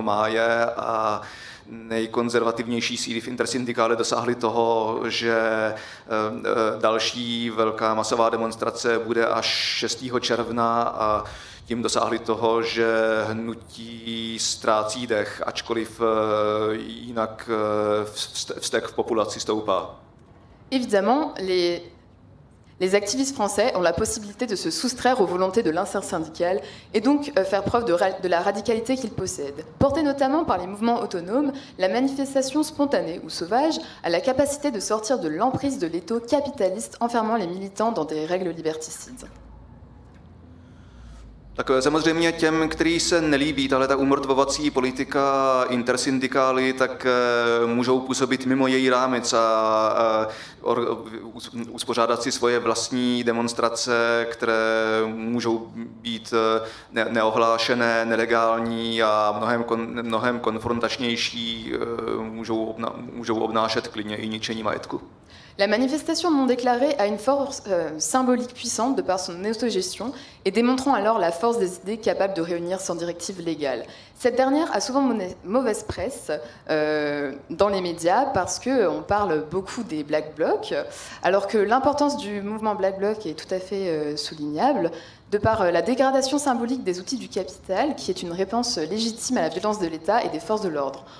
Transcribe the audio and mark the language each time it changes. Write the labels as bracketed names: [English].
[Czech] máje a nejkonzervativnější síly v intersyndikále dosáhly toho, že další velká masová demonstrace bude až 6. června a tím dosáhli toho, že hnutí ztrácí dech, ačkoliv jinak vztek v populaci stoupá. [French] Évidemment, les activistes français ont la possibilité de se soustraire aux volontés de l'intersyndical et donc faire preuve de la radicalité qu'ils possèdent. Portée notamment par les mouvements autonomes, la manifestation spontanée ou sauvage a la capacité de sortir de l'emprise de l'étau capitaliste enfermant les militants dans des règles liberticides. [Czech] Tak samozřejmě těm, kteří se nelíbí tahle ta umrtvovací politika intersyndikály, tak můžou působit mimo její rámec a uspořádat si svoje vlastní demonstrace, které můžou být neohlášené, nelegální a mnohem konfrontačnější, můžou obnášet klidně i ničení majetku. [French] La manifestation non déclarée a une force symbolique puissante de par son autogestion et démontrant alors la force des idées capables de réunir sans directive légale. Cette dernière a souvent mauvaise presse dans les médias parce qu'on parle beaucoup des Black Blocs, alors que l'importance du mouvement Black Bloc est tout à fait soulignable de par la dégradation symbolique des outils du capital, qui est une réponse légitime à la violence de l'État et des forces de l'ordre.